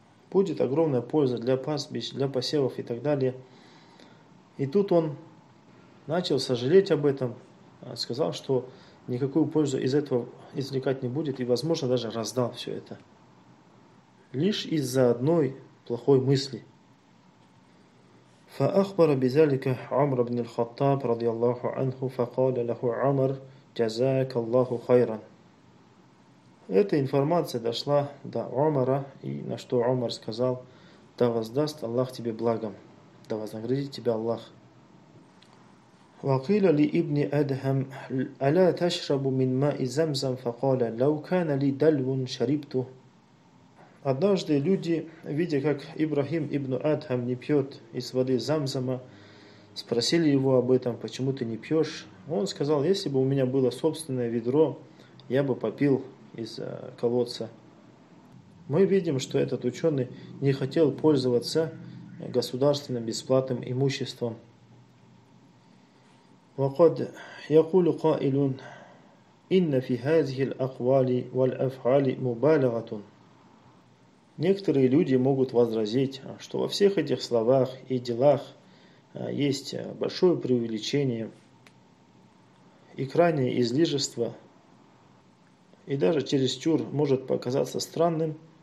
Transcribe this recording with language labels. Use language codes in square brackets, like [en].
[ru] Будет огромная польза для пастбищ, для посевов и так далее. И тут он начал сожалеть об этом, сказал, что никакую пользу из этого извлекать не будет и, возможно, даже раздал все это. Лишь из-за одной плохой мысли. [ar] فأخبر بذلك عمر بن الخطاب رضي الله عنه فقال له عمر جزاك الله خيرا. [ru] Эта информация дошла до Омара, и на что Омар сказал: «Да воздаст Аллах тебе благом, да вознаградит тебя Аллах». [ar] وقيل لي ابن أدهم ألا تشرب من ماء زمزم فقال لو كان لي دلو شربته. [ru] Однажды люди, видя, как Ибрахим ибн Адхам не пьет из воды Замзама, спросили его об этом: «Почему ты не пьешь?» Он сказал: «Если бы у меня было собственное ведро, я бы попил из колодца». Мы видим, что этот ученый не хотел пользоваться государственным бесплатным имуществом. [ar] وقد يقول قائل إن في هذه الأقوال والأفعال مبالغة. [ru] Некоторые люди могут возразить, что во всех этих словах и делах есть большое преувеличение и крайнее излишество, и даже чересчур может показаться странным.